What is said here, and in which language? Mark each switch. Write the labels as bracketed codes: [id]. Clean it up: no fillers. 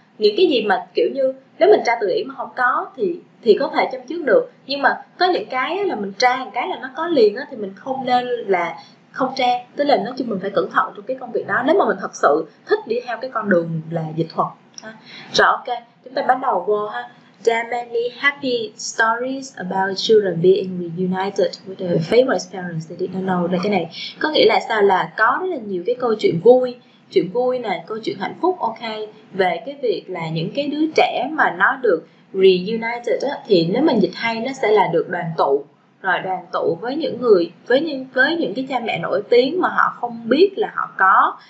[vi] Những cái gì mà kiểu như nếu mình tra từ điển mà không có thì có thể châm trước được. Nhưng mà có những cái là mình tra một cái là nó có liền á, thì mình không nên là không tra. Tức là nói chung mình phải cẩn thận trong cái công việc đó, nếu mà mình thật sự thích đi theo cái con đường là dịch thuật. Rồi ok, chúng ta bắt đầu vô ha. [en] There are many happy stories about children being reunited with their famous parents they didn't know. [vi] Là cái này có nghĩa là sao, là có rất là nhiều cái câu chuyện vui, chuyện vui này, câu chuyện hạnh phúc, ok, về cái việc là những cái đứa trẻ mà nó được reunited á, thì nếu mình dịch hay nó sẽ là được đoàn tụ, rồi đoàn tụ với những người, với những cái cha mẹ nổi tiếng mà họ không biết là họ có.